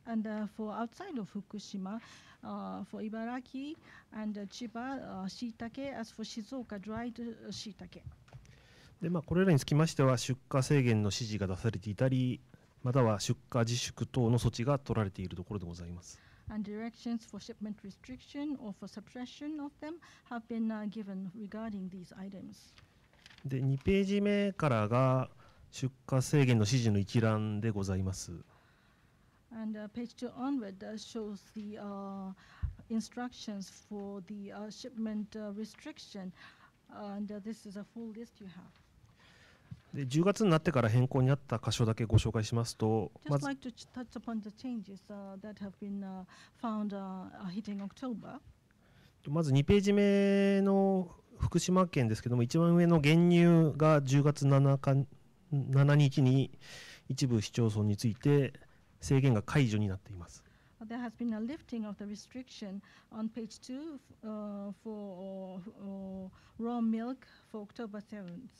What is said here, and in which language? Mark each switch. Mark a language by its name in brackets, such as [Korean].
[English] And for outside of Fukushima, for Ibaraki and Chiba, shiitake. As for Shizuoka, dried shiitake. [Japanese] で、まあこれらにつきましては出荷制限の指示が出されていたり、または出荷自粛等の措置が取られているところでございます。 [English] And directions for shipment restriction or for suppression of them have been given regarding these items. [Japanese] で、2ページ目からが出荷制限の指示の一覧でございます。 [English] And page 2 onward shows the instructions for the shipment restriction. And this is a full list you have. [Japanese] で、10月になってから変更になった箇所だけご紹介しますと、まず2ページ目の福島県ですけども、一番上の原乳が10月7日に一部市町村について制限が解除になっています。 [English] There has been a lifting of the restriction on page 2 for raw milk for October 7th.